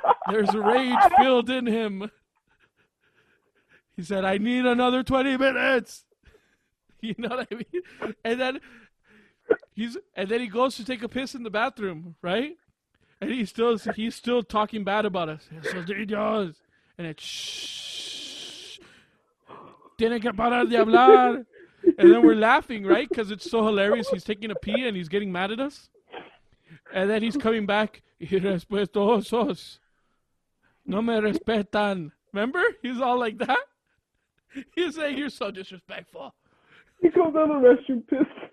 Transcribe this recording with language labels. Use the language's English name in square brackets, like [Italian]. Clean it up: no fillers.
[English] There's rage filled in him. He said, I need another 20 minutes. You know what I mean? And then he goes to take a piss in the bathroom, right? And he's still talking bad about us. He says, there he goes. And it's shh. [Spanish] Tiene que parar de hablar. [English] And then we're laughing, right? Because it's so hilarious. He's taking a pee and he's getting mad at us. And then he's coming back. [Spanish] Irrespetuosos. No me respetan. [English] Remember? He's all like that. He's saying, you're so disrespectful. He comes out of the restroom pissed.